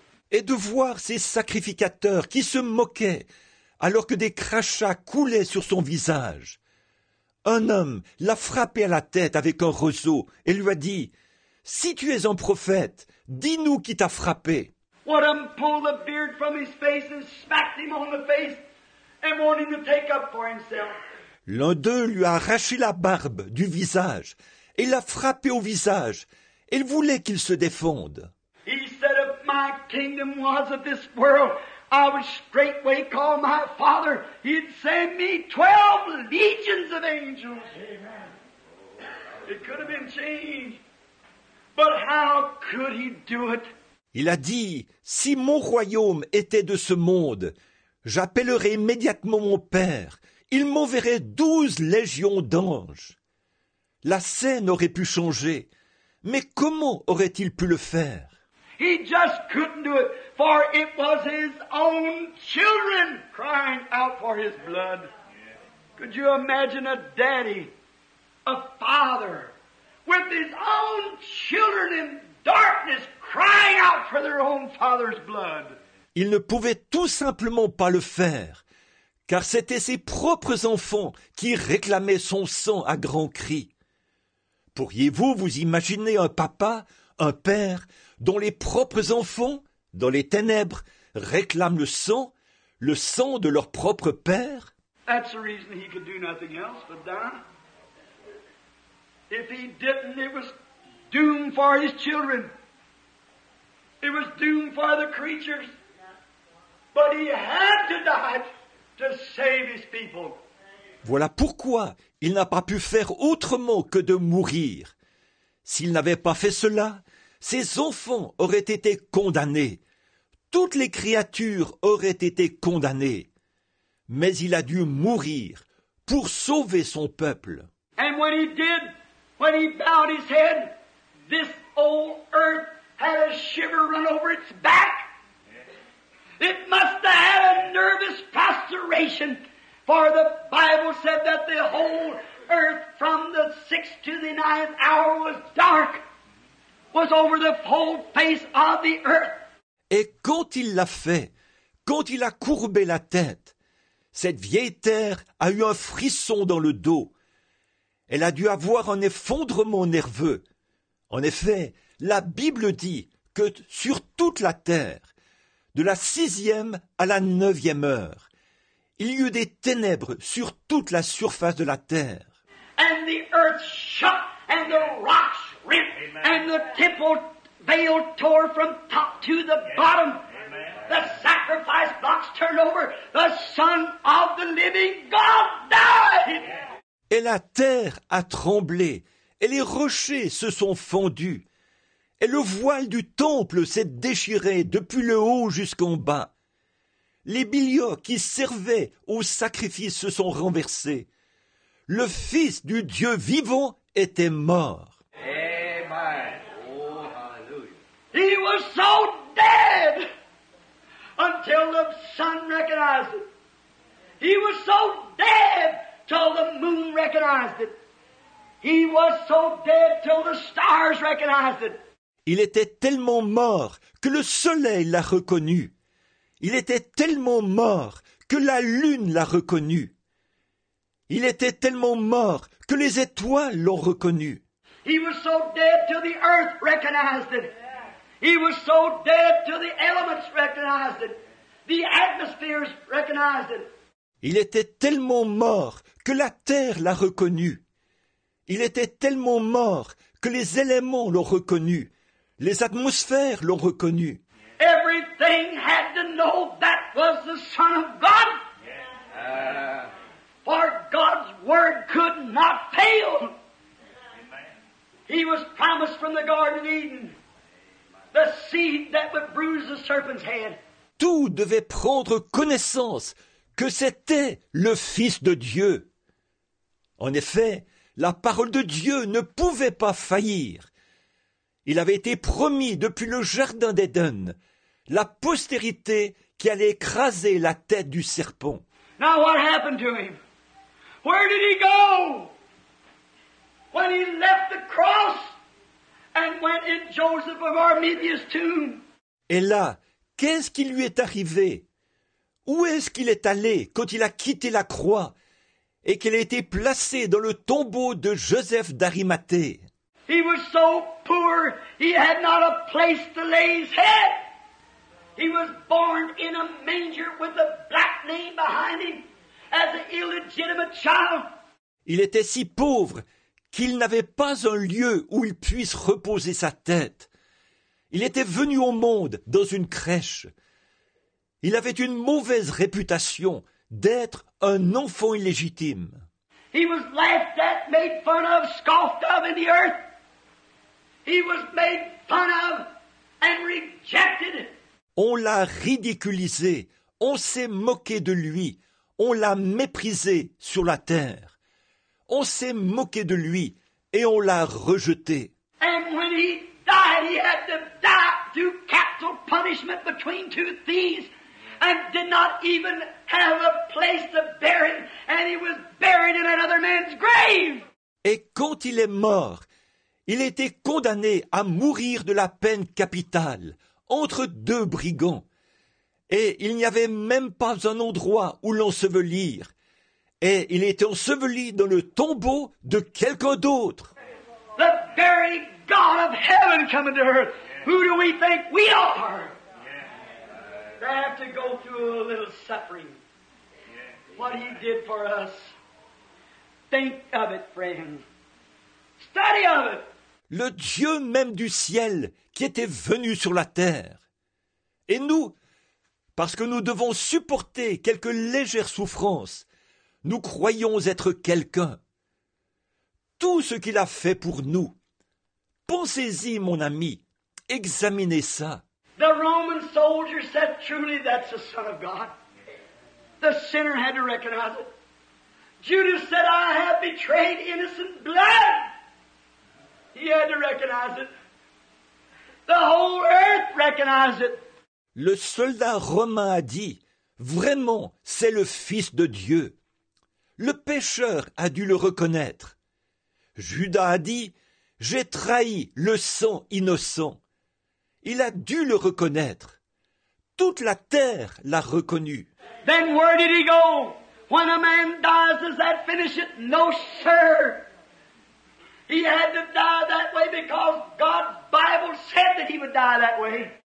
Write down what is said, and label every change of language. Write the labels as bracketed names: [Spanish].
[French] Et de voir ces sacrificateurs qui se moquaient alors que des crachats coulaient sur son visage. Un homme l'a frappé à la tête avec un roseau et lui a dit, « Si tu es un prophète, dis-nous qui t'a frappé. » [English] What a pulled the beard from his face and smacked him on the face and wanting to take up for himself. [French] L'un d'eux lui a arraché la barbe du visage et l'a frappé au visage. Il voulait qu'il se défende. [English] He said, if my kingdom was of this world, I would straightway call my father. He'd send me 12 legions of angels. Amen. It could have been changed. But how could he do it? [French] Il a dit, si mon royaume était de ce monde, j'appellerais immédiatement mon père. Il m'enverrait 12 légions d'anges. La scène aurait pu changer, mais comment aurait-il pu le faire? [English] He just couldn't do it, for it was his own children crying out for his blood. Could you imagine a daddy, a father, with his own children in darkness crying out for their own father's blood? [French] Il ne pouvait tout simplement pas le faire, car c'était ses propres enfants qui réclamaient son sang à grands cris. Pourriez-vous vous imaginer un papa, un père, dont les propres enfants, dans les ténèbres, réclament le sang de leur propre père? [English] That's the reason he could do nothing else but die. If he didn't, it was doomed for his children. It was doomed for the creatures. But he had to die to save his people. [French] Voilà pourquoi il n'a pas pu faire autrement que de mourir. S'il n'avait pas fait cela, ses enfants auraient été condamnés. Toutes les créatures auraient été condamnées. Mais il a dû mourir pour sauver son peuple. [English] And when he did, when he bowed his head, this old earth had a shiver run over its back. It must have had a nervous prostration. For the Bible said that the whole earth from the sixth to the ninth hour was dark, was over the whole face of the earth. [French] Et quand il l'a fait, quand il a courbé la tête, cette vieille terre a eu un frisson dans le dos. Elle a dû avoir un effondrement nerveux. En effet, la Bible dit que sur toute la terre, de la sixième à la neuvième heure, il y eut des ténèbres sur toute la surface de la terre. [English] And the earth shook, and the rocks ripped, Amen. And the temple veil tore from top to the bottom. Amen. The sacrifice box turned over. The Son of the Living God died. [French] Et la terre a tremblé, et les rochers se sont fendus, et le voile du temple s'est déchiré depuis le haut jusqu'en bas. Les billots qui servaient au sacrifice se sont renversés. Le Fils du Dieu vivant était mort. [English] Amen. Oh, hallelujah. He was so dead until the sun recognized it. He was so dead till the moon recognized it. He was so dead till the stars recognized it. [French] Il était tellement mort que le soleil l'a reconnu. Il était tellement mort que la lune l'a reconnu. Il était tellement mort que les étoiles l'ont reconnu. [English] He was so dead till the earth recognized it. He was so dead till the elements recognized it. The atmospheres recognized it. [French] Il était tellement mort que la terre l'a reconnu. Il était tellement mort que les éléments l'ont reconnu. Les atmosphères l'ont reconnu. [English] Everything had to know that was the Son of God. For God's word could not fail. He was promised from the Garden of Eden the seed that would bruise the serpent's head. [French] Tout devait prendre connaissance que c'était le Fils de Dieu. En effet, la parole de Dieu ne pouvait pas faillir. Il avait été promis depuis le jardin d'Éden, la postérité qui allait écraser la tête du serpent. [English] Now what happened to him? Where did he go? When he left the cross and went in Joseph of Arimathea's tomb. [French] Et là, qu'est-ce qui lui est arrivé? Où est-ce qu'il est allé quand il a quitté la croix et qu'il a été placé dans le tombeau de Joseph d'Arimathée? [English] He was so poor, he had not a place to lay his head. He was born in a manger with a black name behind him as an illegitimate child. [French] Il était si pauvre qu'il n'avait pas un lieu où il puisse reposer sa tête. Il était venu au monde dans une crèche. Il avait une mauvaise réputation d'être un enfant illégitime. [English] He was laughed at, made fun of, scoffed of in the earth. He was made fun of and rejected. [French] On l'a ridiculisé, on s'est moqué de lui, on l'a méprisé sur la terre. On s'est moqué de lui et on l'a rejeté. [English] And when he died, he had to die due capital punishment between two thieves and did not even have a place to bury him, and he was buried in another man's grave. [French] Et quand il est mort, il était condamné à mourir de la peine capitale entre deux brigands. Et il n'y avait même pas un endroit où l'ensevelir. Et il était enseveli dans le tombeau de quelqu'un d'autre. [English] The very God of heaven coming to earth. Who do we think we are? They have to go through a little suffering. What he did for us. Think of it, friend. Study of it. [French] Le Dieu même du ciel qui était venu sur la terre. Et nous, parce que nous devons supporter quelques légères souffrances, nous croyons être quelqu'un. Tout ce qu'il a fait pour nous, pensez-y, mon ami, examinez ça. [English] The Roman soldier said truly that's the Son of God. The sinner had to recognize it. Judas said, I have betrayed innocent blood. He had to recognize it. The whole earth recognized it. [French] Le soldat romain a dit, vraiment, c'est le Fils de Dieu. Le pécheur a dû le reconnaître. Judas a dit, j'ai trahi le sang innocent. Il a dû le reconnaître. Toute la terre l'a reconnu. [English] Then where did he go? When a man dies, does that finish it? No, sir. He had to die that way because God's Bible said that he would die that way.